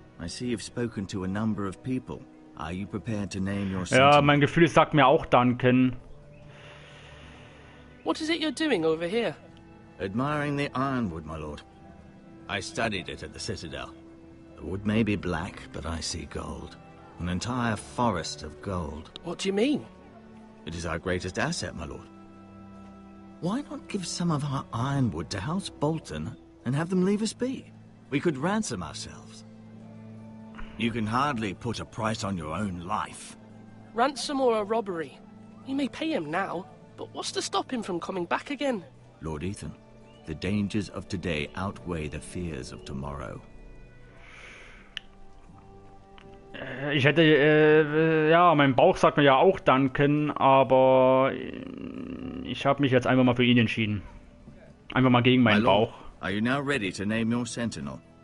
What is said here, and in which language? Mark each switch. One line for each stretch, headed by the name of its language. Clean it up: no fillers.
English: I see you've spoken to a number of people. Are you prepared to name your
German: sentinel? Ja, mein Gefühl sagt mir auch Duncan.
English: What is it you're doing over here? Admiring the ironwood, my lord. I studied it at the Citadel. The wood may be black, but I see gold. An entire forest of gold. What do you mean? It is our greatest asset, my lord. Why not give some of our ironwood to House Bolton and have them leave us be? We could ransom ourselves. You can hardly put a price on your own life. Ransom or a robbery? You may pay him now, but what's to stop him from coming back again? Lord Ethan, the dangers of today outweigh the fears of tomorrow.
German: Ich hätte, ja, mein Bauch sagt mir ja auch danken, aber ich habe mich jetzt einfach mal für ihn entschieden. Einfach mal gegen meinen Bauch.
English: Are you now ready to name your sentinel?